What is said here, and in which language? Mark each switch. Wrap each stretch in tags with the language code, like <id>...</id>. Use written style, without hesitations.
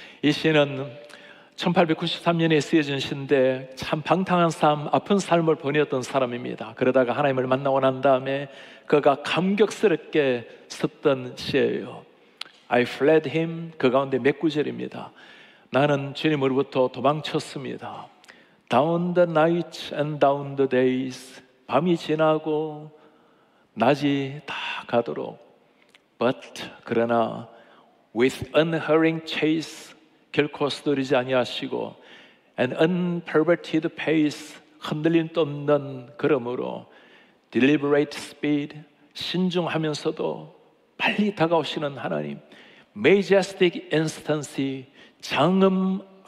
<ko>이 시는 1893년에 쓰여진 시인데 참 방탕한 삶, 아픈 삶을 보내었던 사람입니다. 그러다가 하나님을 만나고 난 다음에 그가 감격스럽게 썼던 시예요. I fled him, 그 가운데 몇 구절입니다. 나는 주님으로부터 도망쳤습니다.</ko> <en>Down the nights and down the days, 밤이 지나고 낮이 다 가도록.</en> <ko>But 그러나 with unhurrying chase, 결코 스르지 아니하시고, an unperverted pace, 흔들림도 없는 걸음으로, deliberate speed, 신중하면서도 빨리 다가오시는 하나님, majestic instancy, 장엄하면서도</ko>